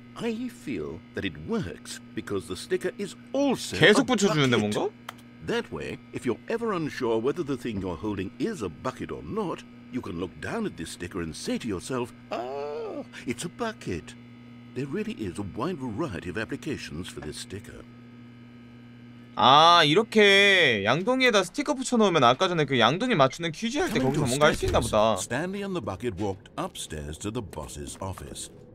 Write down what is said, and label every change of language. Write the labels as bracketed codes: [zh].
[en] I feel that it works because the sticker is also [ko] 계속 붙여주는데 뭔가? [en] That way, if you're ever unsure whether the thing you're holding is a bucket or not, you can look down at this sticker and say to yourself, Ah, it's a bucket. There really is a wide variety of applications for this sticker. [ko] 아, 이렇게 양동이에다 스티커 붙여놓으면 아까 전에 그 양동이 맞추는 퀴즈 할 때 거기서 뭔가 할 수 있나 보다. [en] Stanley and the bucket walked upstairs to the boss's office.